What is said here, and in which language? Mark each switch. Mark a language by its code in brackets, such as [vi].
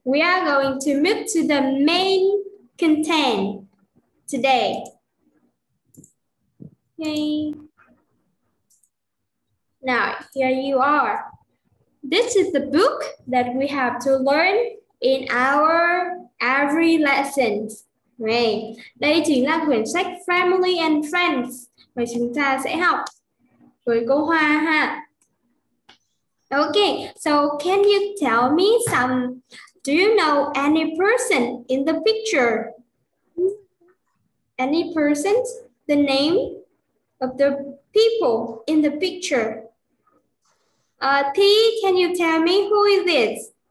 [en] We are going to move to the main content today. Okay. Now, here you are. This is the book that we have to learn in our every lesson. Okay. [vi] Đây chính là quyển sách Family and Friends mà chúng ta sẽ học với cô Hoa ha. [en] Okay, so can you tell me some, do you know any person in the picture? Any persons? The name of the people in the picture? T, can you tell me who is this?